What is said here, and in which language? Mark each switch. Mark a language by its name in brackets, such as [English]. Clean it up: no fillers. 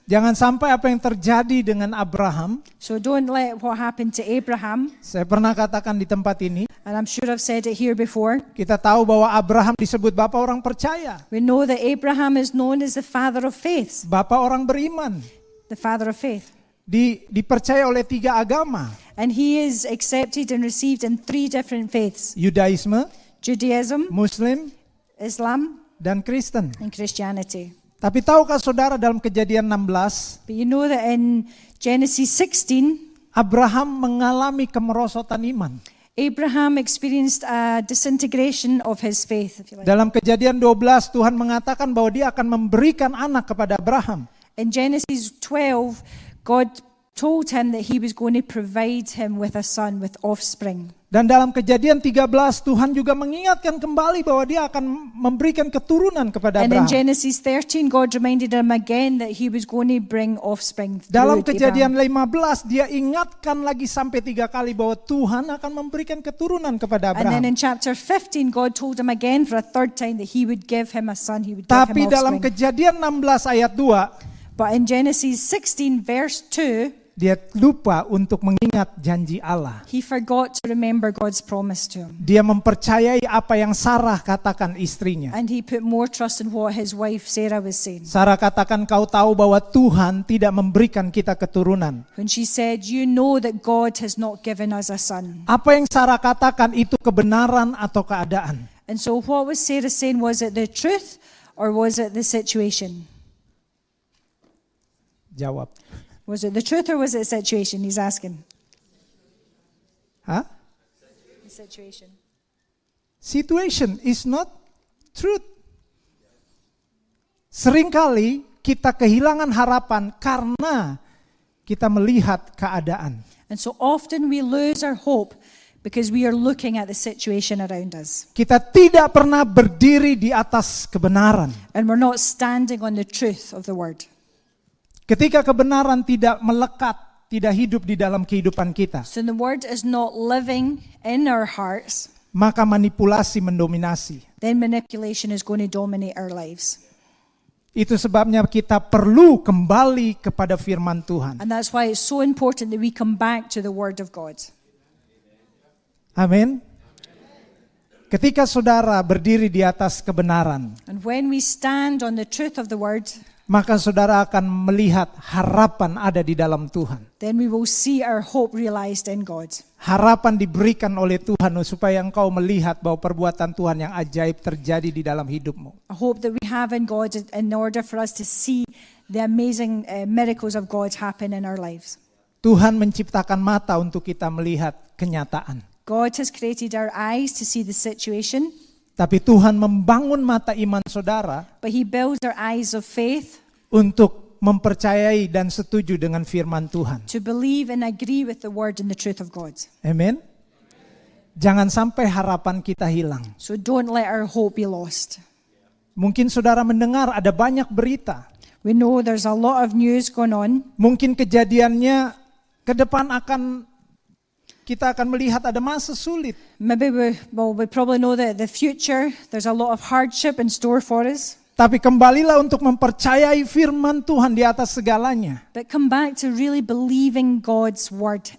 [Indonesian] Jangan sampai apa yang terjadi dengan Abraham. [English] So don't let what happened to Abraham. [Indonesian] Saya pernah katakan di tempat ini. [English] And I'm sure I've said it here before. [Indonesian] Kita tahu bahwa Abraham disebut bapa orang percaya. [English] We know that Abraham is known as the father of faith. [Indonesian] Bapa orang beriman. [English] The father of faith. [Indonesian] Dipercaya oleh tiga agama. [English] And he is accepted and received in three different faiths. Judaism. Muslim. Islam. [Indonesian] Dan Kristen. [English] And Christianity. [Indonesian] Tapi tahukah saudara dalam Kejadian 16? [English] But you know that in Genesis 16, [Indonesian] Abraham mengalami kemerosotan iman. [English] Abraham experienced a disintegration of his faith. If you like. [Indonesian] Dalam Kejadian 12, Tuhan mengatakan bahwa Dia akan memberikan anak kepada Abraham. [English] In Genesis 12, God told him that He was going to provide him with a son, with offspring. [Indonesian] Dan dalam Kejadian 13, Tuhan juga mengingatkan kembali bahwa Dia akan memberikan keturunan kepada Abraham. [English] And in Genesis 13, God reminded him again that He was going to bring offspring. [Indonesian] Dalam Kejadian 15, Dia ingatkan lagi sampai 3 kali bahwa Tuhan akan memberikan keturunan kepada Abraham. [English] And then in chapter 15, God told him again for a third time that He would give him a son. He would give [Indonesian] Tapi dalam Kejadian 16 ayat 2, [English] but in Genesis 16 verse 2, [Indonesian] Dia lupa untuk mengingat janji Allah. [English] He forgot to remember God's promise to him. [Indonesian] Dia mempercayai apa yang Sarah katakan istrinya. [English] And he put more trust in what his wife Sarah was saying. [Indonesian] Sarah katakan, kau tahu bahwa Tuhan tidak memberikan kita keturunan. [English] When she said, you know that God has not given us a son. [Indonesian] Apa yang Sarah katakan itu kebenaran atau keadaan? [English] And so what was Sarah saying? Was it the truth or was it the situation? [Indonesian] Jawab. [English] Was it the truth or was it a situation? He's asking. Huh? The situation. Situation is not truth. [Indonesian] Seringkali kita kehilangan harapan karena kita melihat keadaan. [English] And so often we lose our hope because we are looking at the situation around us. [Indonesian] Kita tidak pernah berdiri di atas kebenaran. [English] And we're not standing on the truth of the word. [Indonesian] Ketika kebenaran tidak melekat, tidak hidup di dalam kehidupan kita. [English] So the word is not living in our hearts. [Indonesian] Maka manipulasi mendominasi. [English] Then manipulation is going to dominate our lives. [Indonesian] Itu sebabnya kita perlu kembali kepada firman Tuhan. [English] And that's why it's so important that we come back to the word of God. [Indonesian] Amin. Ketika saudara berdiri di atas kebenaran. [English] And when we stand on the truth of the word, [Indonesian] maka saudara akan melihat harapan ada di dalam Tuhan. [English] Then we will see our hope realized in God. [Indonesian] Harapan diberikan oleh Tuhan supaya engkau melihat bahwa perbuatan Tuhan yang ajaib terjadi di dalam hidupmu. [English] A hope that we have in God in order for us to see the amazing miracles of God happen in our lives. [Indonesian] Tuhan menciptakan mata untuk kita melihat kenyataan. [English] God has created our eyes to see the situation. [Indonesian] Tapi Tuhan membangun mata iman saudara. [English] But he builds our eyes of faith. [Indonesian] Untuk mempercayai dan setuju dengan firman Tuhan. [English] To believe and agree with the word and the truth of God. [Indonesian] Amen. Jangan sampai harapan kita hilang. [English] So don't let our hope be lost. [Indonesian] Mungkin saudara mendengar ada banyak berita. [English] We know there's a lot of news going on. [Indonesian] Mungkin kejadiannya ke depan akan kita akan melihat ada masa sulit. [English] Maybe we probably know that the future there's a lot of hardship in store for us. [Indonesian] Tapi kembalilah untuk mempercayai firman Tuhan di atas segalanya. [English] But come back to really believing God's word.